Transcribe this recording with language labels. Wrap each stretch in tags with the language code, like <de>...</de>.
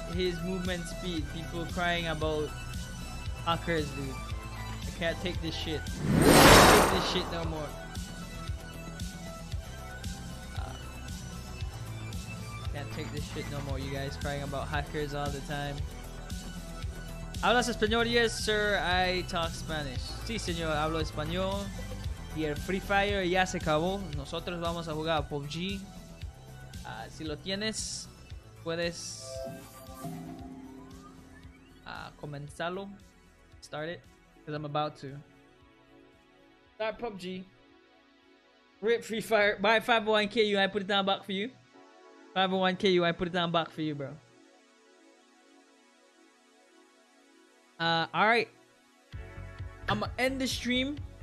<en>His movement speed, people crying about hackers, dude. I can't take this shit. No more. Can't take this shit no more. You guys crying about hackers all the time.</en> <es>Hablas español,</es> <en>yes, sir. I talk Spanish.</en> <es>Sí, señor. Hablo español. Y el Free Fire ya se acabó. Nosotros vamos a jugar a PUBG. Si lo tienes, puedes comenzarlo.</es> <en>Start it. Because I'm about to start PUBG. Rip Free Fire. Buy 501k, I put it down back for you. 501k, I put it down back for you, bro. Alright. I'm gonna end the stream.</en>